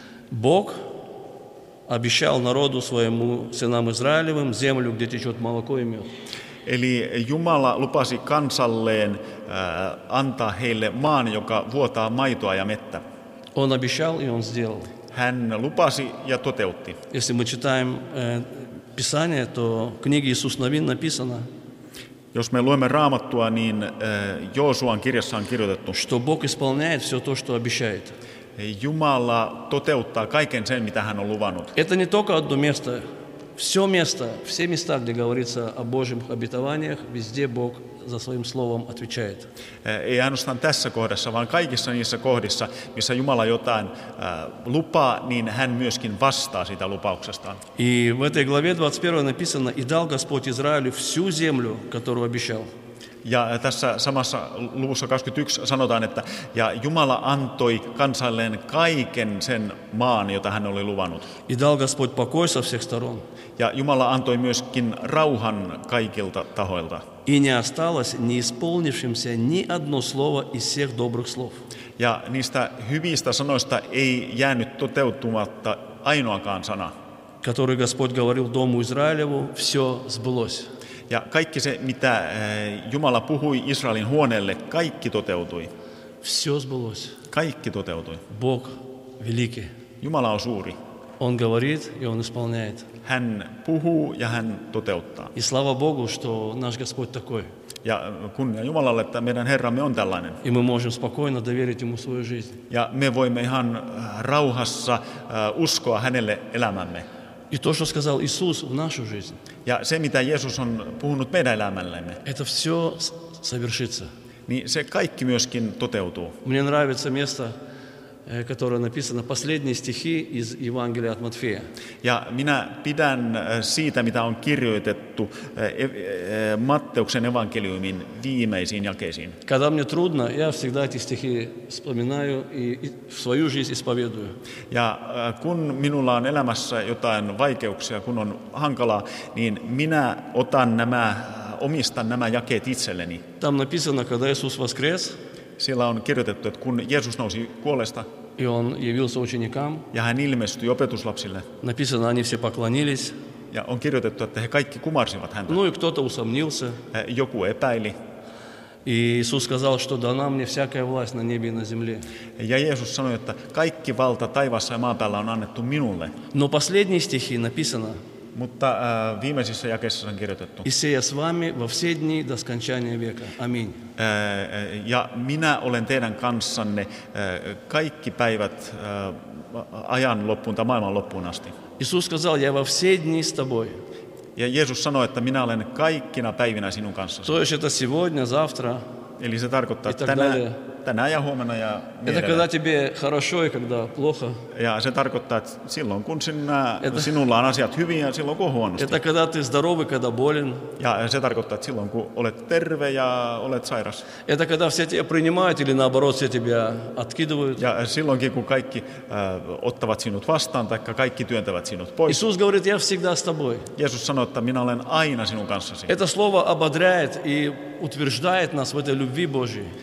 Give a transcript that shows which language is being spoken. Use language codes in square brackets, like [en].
[ru] Бог обещал народу своему, сынам Израилевым, землю, где течет молоко и мед. [fi] Eli Jumala lupasi kansalleen antaa heille maan, joka vuotaa maitoa ja mettä. [ru] Он обещал и он сделал. [fi] Hän lupasi ja toteutti. [ru] Если мы читаем Писание, то в книге Иисус Навин написано. [fi] Jos me luemme Raamattua, niin Joosuan kirjassa on kirjoitettu, [ru] что Бог исполняет всё то, что обещает. [fi] Jumala toteuttaa kaiken sen, mitä hän on luvannut. [ru] Это не только одно место, всё место, все места, где говорится о Божьих обетованиях, везде Бог за своим словом отвечает. [fi] Ei ainoastaan tässä kohdassa, vaan kaikissa niissä kohdissa, missä Jumala jotain lupaa, niin hän myöskin vastaa siitä lupauksestaan. [ru] И в этой главе 21 написано: «И дал Господь Израилю всю землю, которую обещал». [fi] Ja tässä samassa luvussa 21 sanotaan, että ja Jumala antoi kansalleen kaiken sen maan, jota hän oli luvannut. [ru] И дал Господь покой со всех сторон. [fi] Ja Jumala antoi myöskin rauhan kaikilta tahoilta. [ru] И не осталось не исполнившимся ни одно слово из всех добрых слов. [fi] Ja niistä hyvistä sanoista ei jäänyt toteutumatta ainoakaan sana. [ru] Который Господь говорил дому Израилеву, все сбылось. [fi] Ja kaikki se, mitä Jumala puhui Israelin huoneelle, kaikki toteutui. [ru] Все сбылось. [fi] Kaikki toteutui. [ru] Бог великий. [fi] Jumala on suuri. [ru] Он говорит, и он исполняет. [fi] Hän puhuu ja hän toteuttaa. [ru] И слава Богу, что наш Господь такой. [fi] Ja kunnia Jumalalle, että meidän Herramme on tällainen. [ru] И мы можем спокойно доверить ему свою жизнь. [fi] Ja me voimme ihan rauhassa uskoa hänelle elämämme. [ru] И то, что сказал Иисус в нашу жизнь. [fi] Ja se, mitä Jeesus on puhunut meidän elämällemme. [ru] Это все совершится. [fi] Niin se kaikki myöskin toteutuu. [ru] Мне нравится место, которое написано, последние стихи из Евангелия от Матфея. [fi] Ja minä pidän siitä, mitä on kirjoitettu Matteuksen evankeliumin viimeisiin jakeisiin. [ru] Когда мне трудно, я всегда эти стихи вспоминаю и в свою жизнь исповедую. [fi] Ja kun minulla on elämässä jotain vaikeuksia, kun on hankalaa, niin minä omistan nämä jakeet itselleni. [ru] Там написано, когда Иисус воскрес. [fi] Siellä on kirjoitettu, että kun Jeesus nousi kuolesta, [ru] и он явился ученикам, [fi] ja hän ilmestyi opetuslapsille, [ru] написано, они все поклонились, [fi] ja on kirjoitettu, että he kaikki kumarsivat häntä. [ru] Ну и кто-то усомнился, [fi] joku epäili. [ru] И Иисус сказал, что дана мне всякая власть на небе и на земле. [fi] Ja Jeesus sanoi, että kaikki valta taivassa ja maan päällä on annettu minulle. [ru] Но последние стихи написано, [fi] mutta viimeisissä jakeissa on kirjoitettu. [ru] Исея с вами во все дни до скончания века. Аминь. [fi] Ja minä olen teidän kanssanne kaikki päivät ajan loppuun tai maailman loppuun asti. [ru] Иисус сказал, я во все дни с тобой. [fi] Ja Jeesus sanoi, että minä olen kaikkina päivinä sinun kanssasi. [ru] То есть это сегодня, завтра. [fi] Eli se tarkoittaa tänään ja huomenna ja niin edelleen. [ru] Это когда тебе хорошо и когда плохо. [fi] Ja se tarkoittaa, että silloin kun sinulla on asiat hyvin ja silloin kun huonosti. [ru] Это когда ты здоров и когда болен. [fi] Ja se tarkoittaa, että silloin kun olet terve ja olet sairas. [ru] Это когда все тебя принимают или наоборот все тебя откидывают. [fi] Ja silloinkin kun kaikki ottavat sinut vastaan tai kaikki työntävät sinut pois. [ru] Иисус говорит, я всегда с тобой. [fi] Jeesus sanoo, että minä olen aina sinun kanssasi. [ru] Это слово ободряет и утверждает нас в этой любви Божьей.